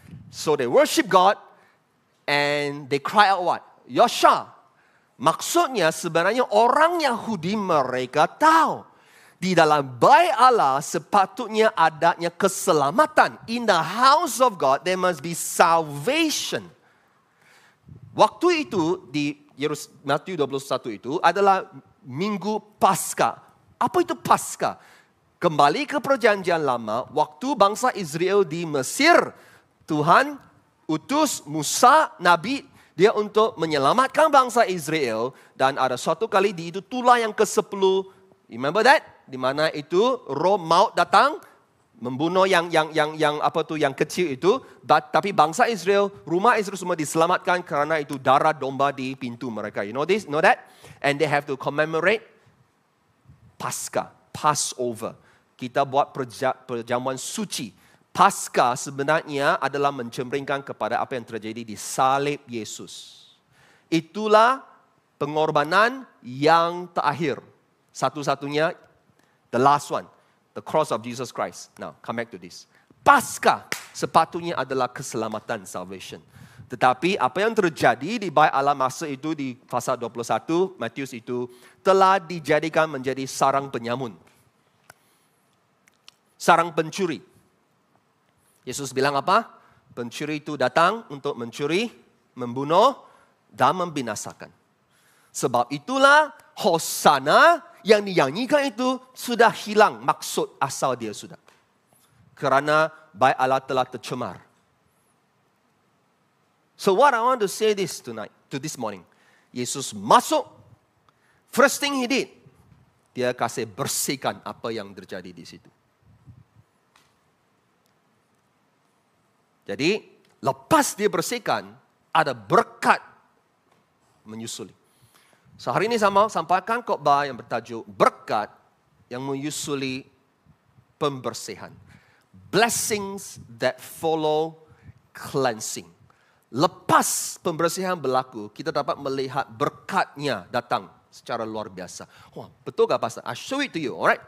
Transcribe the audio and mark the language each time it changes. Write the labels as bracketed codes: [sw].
[en] So they worship God, and they cry out what? [ms] Yosha. Maksudnya sebenarnya orang Yahudi mereka tahu. Di dalam bait Allah sepatutnya adanya keselamatan. [en] In the house of God there must be salvation. [ms] Waktu itu di Matius 21 itu adalah minggu Paskah. Apa itu Paskah? Kembali ke perjanjian lama, waktu bangsa Israel di Mesir, Tuhan utus Musa nabi dia untuk menyelamatkan bangsa Israel dan ada suatu kali di itu tulah yang ke-10. [en] Remember that? [ms] Di mana itu roh maut datang membunuh yang kecil itu, tapi bangsa Israel, rumah Israel semua diselamatkan kerana itu darah domba di pintu mereka. [en] You know this, know that, and they have to commemorate Paskah, Passover. [ms] Kita buat perjamuan suci. Paskah sebenarnya adalah mencerminkan kepada apa yang terjadi di salib Yesus. Itulah pengorbanan yang terakhir. Satu-satunya, [en] the last one, the cross of Jesus Christ. Now, come back to this. [ms] Paskah sepatutnya adalah keselamatan, salvation. Tetapi apa yang terjadi di bait Allah masa itu di pasal 21, Matius itu, telah dijadikan menjadi sarang penyamun. Sarang pencuri. Yesus bilang apa? Pencuri itu datang untuk mencuri, membunuh, dan membinasakan. Sebab itulah hosana yang dinyanyikan itu sudah hilang maksud asal dia sudah. Kerana bait Allah telah tercemar. [en] So what I want to say this tonight, to this morning. [ms] Yesus masuk, [en] first thing he did, [ms] dia kasih bersihkan apa yang terjadi di situ. Jadi, lepas dia bersihkan, ada berkat menyusuli. So hari ini sama sampaikan khotbah yang bertajuk berkat yang menyusuli pembersihan. [en] Blessings that follow cleansing. [ms] Lepas pembersihan berlaku, kita dapat melihat berkatnya datang secara luar biasa. Wah, betul ke pastor? [en] I show it to you, alright?